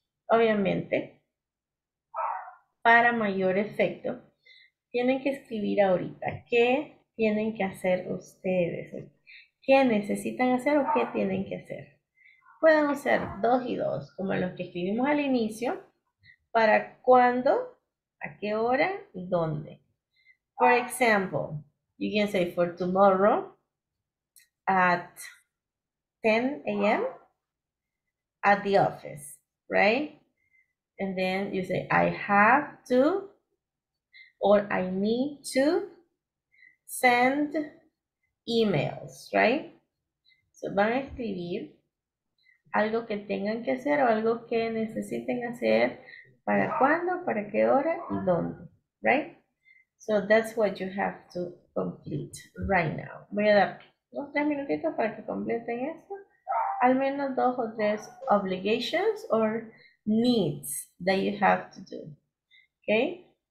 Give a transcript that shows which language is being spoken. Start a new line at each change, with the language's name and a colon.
Spanish: Obviamente, para mayor efecto, tienen que escribir ahorita qué tienen que hacer ustedes, qué necesitan hacer o qué tienen que hacer. Pueden usar dos y dos, como los que escribimos al inicio, para cuándo, ¿a qué hora y dónde?
English: For example, you can say for tomorrow at 10 a.m. at the office, right? And then you say I have to or I need to send emails, right? So
Spanish: van a escribir algo que tengan que hacer o algo que necesiten hacer, para cuándo, para qué hora y dónde, right?
English: So that's what you have to complete right now.
Spanish: Voy a dar 2 o 3 minutitos para que completen esto. Al menos 2 o 3
English: obligations or needs that you have to do, okay?